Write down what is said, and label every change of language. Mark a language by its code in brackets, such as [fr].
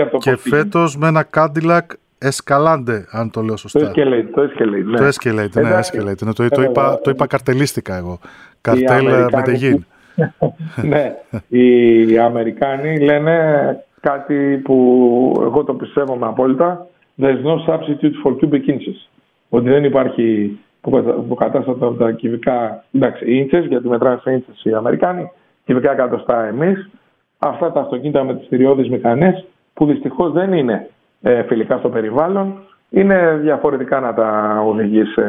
[el] Και φέτος με ένα Cadillac Escalante, αν το λέω σωστά. Το Escalate. Ναι, το είπα καρτελίστικα εγώ. Καρτέλ με τη γη. Ναι, οι Αμερικάνοι λένε κάτι που εγώ το πιστεύω με απόλυτα. [en] There's no substitute for cubic inches. [el] Ότι δεν υπάρχει που κατάστατα από τα κυβικά, εντάξει, inches, γιατί μετράνε σε inches οι Αμερικάνοι, κυβικά εκατοστά εμείς. Αυτά τα αυτοκίνητα με τις στηριώδεις μηχανές, που δυστυχώς δεν είναι φιλικά στο περιβάλλον, είναι διαφορετικά να τα οδηγείς.